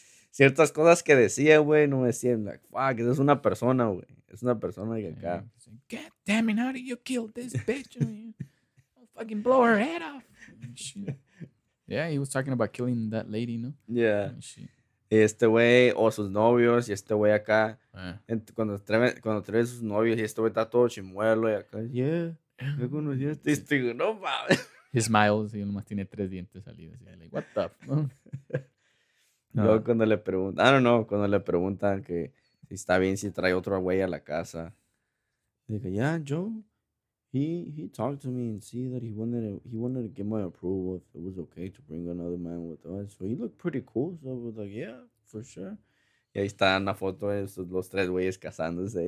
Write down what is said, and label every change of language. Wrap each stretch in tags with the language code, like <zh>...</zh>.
<es>Ciertas cosas que decía, güey, no decían,</es> <en>like, fuck,</en> <es>eso es una persona, güey. Es una persona que acá.</es> <en>God damn it, how did you kill this bitch? I'll fucking blow her head off. Yeah, he was talking about killing that lady, ¿no? Yeah.</en> <es>Y este güey, o sus novios, y este güey acá. Cuando trae sus novios, y este güey está todo chimuelo, y acá, yeah. Yo conocí a este. Y este güey, no mames.</es> <en>He smiles,</en> <es>y él nomás tiene tres dientes salidos.</es> <en>Y like, what the fuck?</en> <es>Luego cuando le preguntan, cuando le preguntan que si está bien, si trae otro güey a la casa. Digo, yeah, Joe.</es> <en>He talked to me and see that he wanted to get my approval if it was okay to bring another man with us. So he looked pretty cool. So I was like, yeah, for sure.</en> <es>Y ahí está en la foto de esos, los tres güeyes casándose.</es>